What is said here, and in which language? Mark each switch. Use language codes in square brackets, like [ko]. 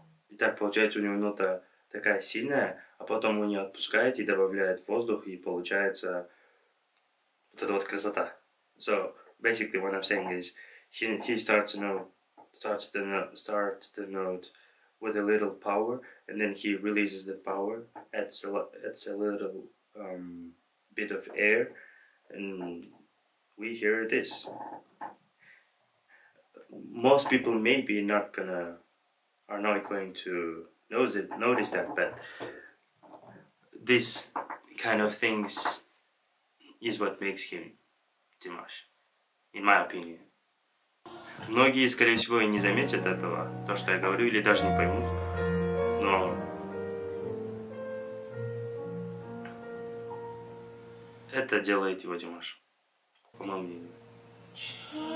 [ru] Итак, получается, у него нота такая сильная, а потом он ее отпускает и добавляет воздух, и получается вот эта вот красота. [en] So, basically, what I'm saying is, he starts the note, starts the note with a little power, and then he releases the power, adds a little bit of air, and we hear this. Most people maybe are not going to notice that, but this kind of things is what makes him Димаш, in my opinion. [ru] Многие, скорее всего, и не заметят этого, то, что я говорю, или даже не поймут, но... Это делает его Димаш, по моему мнению.